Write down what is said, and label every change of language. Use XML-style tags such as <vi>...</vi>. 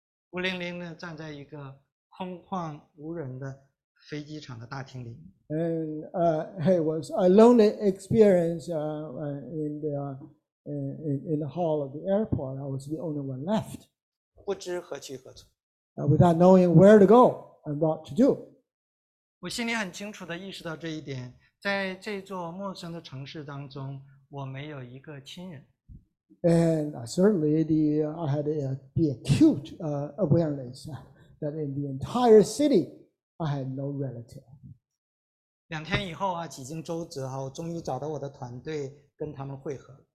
<zh>孤零零地站在一个空旷无人的飞机场的大厅里。</zh> <en>And it was a lonely experience in the hall of the airport. I was the only one left.</en> <zh>不知何去何从。</zh> <en>Without knowing where to go and what to do.</en> <zh>我心里很清楚地意识到这一点，在这座陌生的城市当中，我没有一个亲人。</zh> <en>And certainly I had the acute awareness that in the entire city I had no relative.</en> <zh>两天以后啊，几经周折啊，我终于找到我的团队，跟他们会合。</zh>